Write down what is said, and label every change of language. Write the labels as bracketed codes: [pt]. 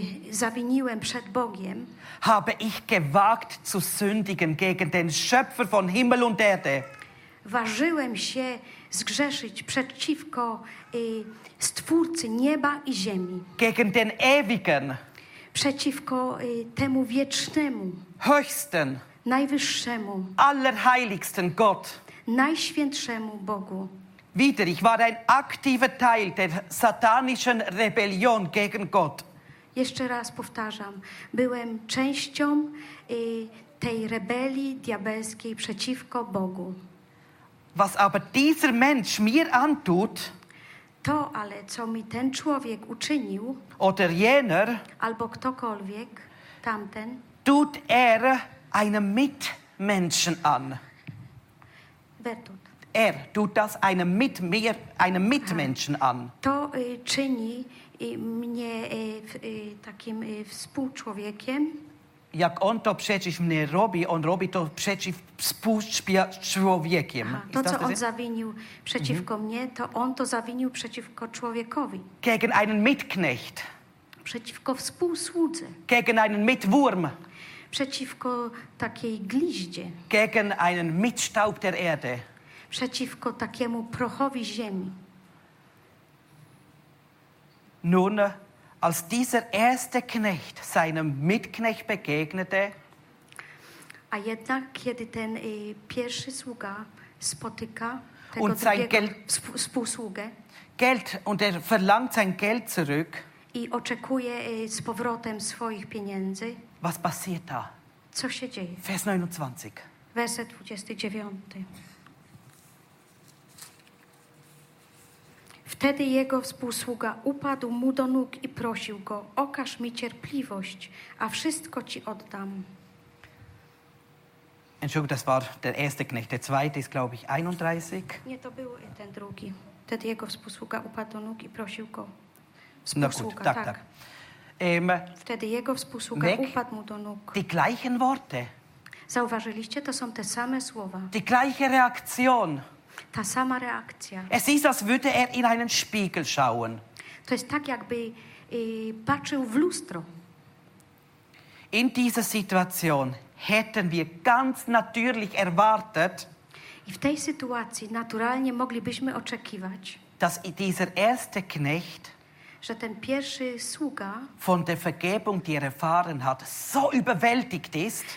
[pl] Zawiniłem przed Bogiem. [de] Habe ich gewagt zu sündigen gegen den Schöpfer von Himmel und Erde. [pl] Ważyłem się zgrzeszyć przeciwko Stwórcy nieba i ziemi. [de] Gegen den Ewigen. [pl] Przeciwko temu wiecznemu. [de] Höchsten. [pl] Najwyższemu. [de] Allerheiligsten Gott. [pl] Najświętszemu Bogu. [de] Wieder, ich war ein aktiver Teil der satanischen Rebellion gegen Gott. [pl] Jeszcze raz powtarzam, byłem częścią tej rebelii diabelskiej przeciwko Bogu. [de] Was aber dieser Mensch mir antut, [pl] to ale co mi ten człowiek uczynił, [de] oder jener, [pl] albo ktokolwiek tamten, [de] tut einem Mitmenschen an. Wer tut? Tut das einem Mitmenschen an. [pl] To czyni mnie takim współczłowiekiem. Jak on to przeciw mnie robi, on robi to przeciw współczłowiekiem. To, co on zawinił przeciwko mnie, to on to zawinił przeciwko człowiekowi. [de] Gegen einen Mitknecht. [pl] Przeciwko współsłudze. [de] Gegen einen Mitwurm. [pl] Przeciwko takiej gliździe. [de] Gegen einen Mitstaub der Erde. [pl] Przeciwko takiemu prochowi ziemi. [de] Nun, als dieser erste Knecht seinem Mitknecht begegnete, [pl] a jednak, kiedy ten pierwszy sługa spotyka tego [de] und sein [pl] drugiego współsługę, [de] Geld, und er verlangt sein Geld zurück, [pl] i oczekuje z powrotem swoich pieniędzy. [de] Was passiert da? [pl] Co się dzieje? [de] Vers 29. [pl] Werset 29. Wtedy jego współsługa upadł mu do nóg i prosił go: okaż mi cierpliwość, a wszystko ci oddam. [de] Entschuldigung, das war der erste Knecht. Der zweite ist, glaube ich, 31. [pl] Nie, to był ten drugi. Wtedy jego współsługa upadł do nóg i prosił go. Współsługa, tak, tak. Wtedy jego współsługa upadł mu do nóg. [de] Die gleichen Worte. [pl] Zauważyliście, to są te same słowa. [de] Die gleiche Reaktion. [pl] Ta sama reakcja. [de] Es ist, als würde er in einen Spiegel schauen. [pl] To jest tak, jakby patrzył w lustro. [de] In dieser Situation hätten wir ganz natürlich erwartet, [pl] i w tej sytuacji naturalnie moglibyśmy oczekiwać, [de] dass dieser erste Knecht, [pl] że ten pierwszy sługa [de] von der Vergebung, die er erfahren hat, so überwältigt ist,